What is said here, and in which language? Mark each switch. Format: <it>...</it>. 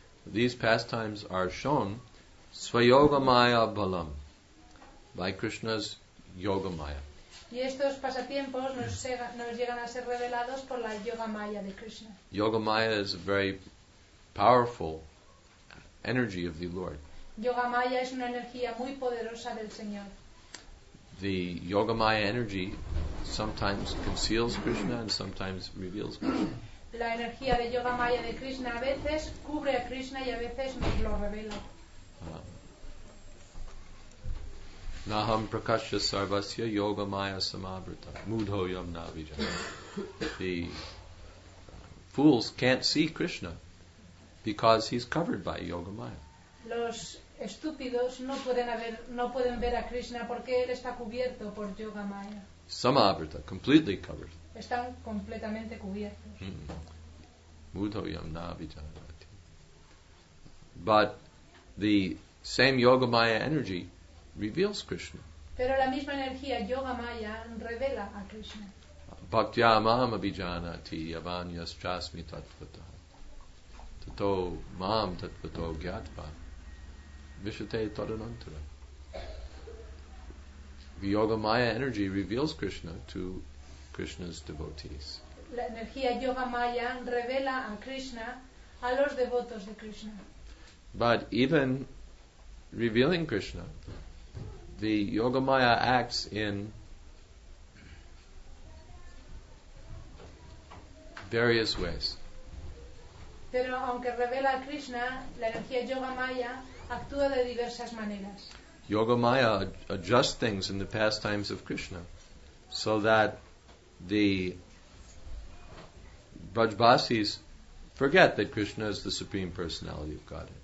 <en>These pastimes are shown</en> <sa>Svayogamaya Balam</sa> <en>by Krishna's Yogamaya.</en> <es>Y estos pasatiempos nos llegan a ser revelados por la Yoga Maya de Krishna.</es> <en>Yoga Maya is a very powerful energy of the Lord.</en> <es>Yoga Maya es una energía muy poderosa del Señor.</es> <en>The Yoga Maya energy sometimes conceals Krishna and sometimes reveals Krishna.</en> <es>La energía de Yoga Maya de Krishna a veces cubre a Krishna y a veces nos lo revela.</es> <sa>Naham prakashya sarvasya yoga maya samavrita mudho yam navijana.</sa> <en>The fools can't see Krishna because he's covered by yoga maya.</en> <es>Los estúpidos no pueden ver a Krishna porque él está cubierto por yoga maya.</es> <en>Samavrita, completely covered.</en> <es>Están completamente cubiertos.</es> <sa>Mudho yam navijana.</sa> <en>But the same yoga maya energy reveals Krishna.</en> <es>Pero la misma energía yoga maya revela a Krishna.</es> <sa>Bhaktya mam abhijanati yavanyas chasmi tatvata tato mam tatvato gyatva vishate tadanantara.</sa> <en>The yoga maya energy reveals Krishna to Krishna's devotees.</en> <es>La energía yoga maya revela a Krishna a los devotos de Krishna.</es> <en>But even revealing Krishna, the yoga maya acts in various ways.</en> <es>Pero aunque revela a Krishna, la energía yoga maya actúa de diversas maneras.</es> <en>Yoga maya adjusts things in the pastimes of Krishna so that the Vrajvasis forget that Krishna is the Supreme Personality of Godhead.</en>